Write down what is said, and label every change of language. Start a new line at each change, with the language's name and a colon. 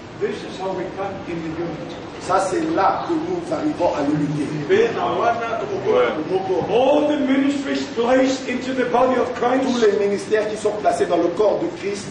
English: This is how we come in the unity.
French: Ça, c'est là que nous arrivons à l'unité.
English: All the ministries placed into the body of Christ.
French: Tous les ministères qui sont placés dans le corps de Christ.